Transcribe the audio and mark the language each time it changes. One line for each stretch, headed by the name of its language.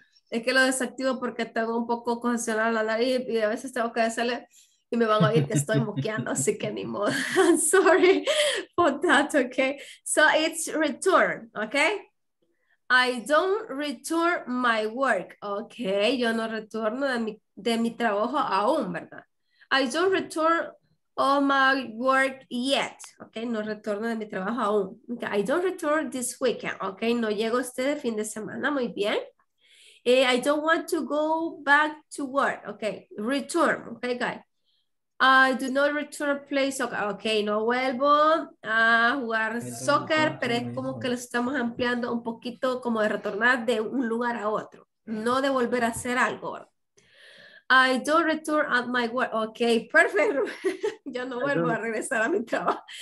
Spanish: Es que lo desactivo porque tengo un poco congestionado la nariz y a veces tengo que hacerle y me van a oír que estoy moqueando, así que ni modo.
English: I'm sorry for that, okay? So it's return, okay? I don't return my work, okay?
Spanish: Yo no retorno de mi trabajo aún, ¿verdad?
English: I don't return all my work yet, okay?
Spanish: No retorno de mi trabajo aún.
English: Okay? I don't return this weekend, okay?
Spanish: No llego este fin de semana, muy bien.
English: I don't want to go back to work, okay? Return, okay, guys? I do not return play soccer.
Spanish: Ok, no vuelvo a jugar soccer, pero es como que lo estamos ampliando un poquito como de retornar de un lugar a otro. No de volver a hacer algo.
English: I don't return at my work.
Spanish: Ok, perfecto. Yo no vuelvo a regresar a mi trabajo.